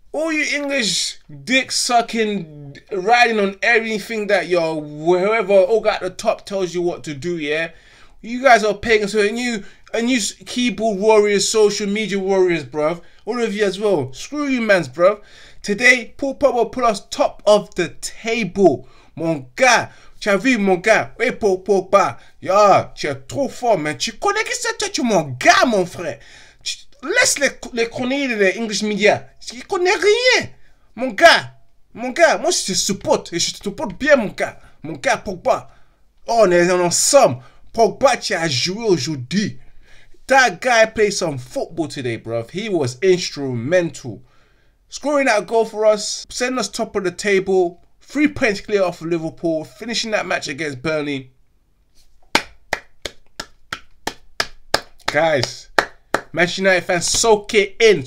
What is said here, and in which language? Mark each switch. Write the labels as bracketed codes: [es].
[en] All you English dick-sucking, riding on everything that your whoever ogre at the top tells you what to do, yeah? You guys are pagans, so a new keyboard warriors, social media warriors, bruv. All of you as well. Screw you, mans, bruv. Today, Paul Pogba put us top of the table. [fr] Mon gars. Xavi, mon gars, hey, Paul Pogba, yeah, tu es trop fort, man. Tu connais qui c'est toi, tu es mon gars, mon frère. Tu, laisse les chroniques de l'English Media. Ils connaissent rien. Mon gars, moi, je te supporte. Et je te supporte bien, mon gars. Mon gars, Pogba. Oh, on est ensemble. Pogba, tu as joué aujourd'hui. [en] That guy played some football today, bruv. He was instrumental. Scoring that goal for us, setting us top of the table. 3 points clear off of Liverpool, finishing that match against Burnley. Guys, Manchester United fans, soak it in.